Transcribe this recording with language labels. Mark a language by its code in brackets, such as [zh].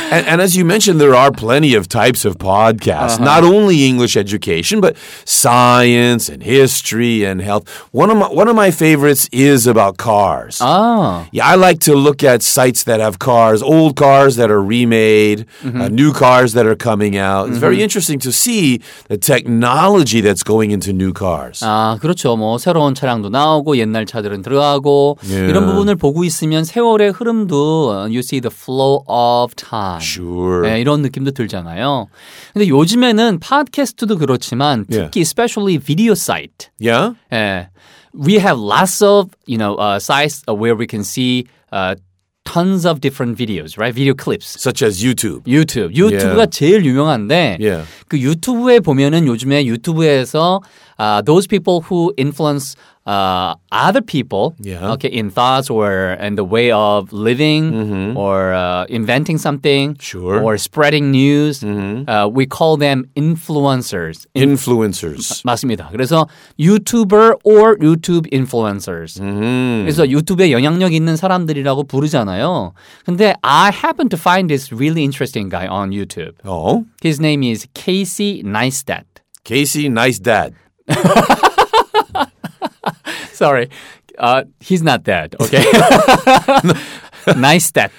[en] And as you mentioned, there are plenty of types of podcasts, not only English education, but science and history and health. One of my favorites is about cars. Oh. Yeah, I like to look at sites that have cars, old cars that are remade, new cars that are coming out. It's very interesting to see the technology that's going into new cars. [ko] 아, 그렇죠. 뭐 새로운 차량도 나오고 옛날 차들은 들어가고 [en] yeah. [ko] 이런 부분을 보고 있으면 세월의 흐름도 [en] you see the flow of time. Sure. [ko] 네, 이런 느낌도 들잖아요. 근데 요즘에는 팟캐스트도 그렇지만 특히 yeah. [en] especially video site. Yeah. [ko] 예. 네, [en] we have lots of, you know, sites where we can see tons of different videos, right? Video clips. Such as YouTube. [ko] YouTube. YouTube가 yeah. 제일 유명한데 [en] yeah. [ko] 그 유튜브에 보면은 요즘에 유튜브에서 [en] those people who influence other people yeah. okay, in thoughts or in the way of living mm-hmm. or inventing something sure. or spreading news, mm-hmm. We call them influencers. Influencers. [ko] 맞습니다. 그래서 유튜버 or 유튜브 influencers. [en] Mm-hmm. [ko] 그래서 유튜브에 영향력 있는 사람들이라고 부르잖아요. [en] 근데 I happen to find this really interesting guy on YouTube. Oh. His name is Casey Neistat. Casey Neistat. Sorry, he's not dead, okay? Neistat.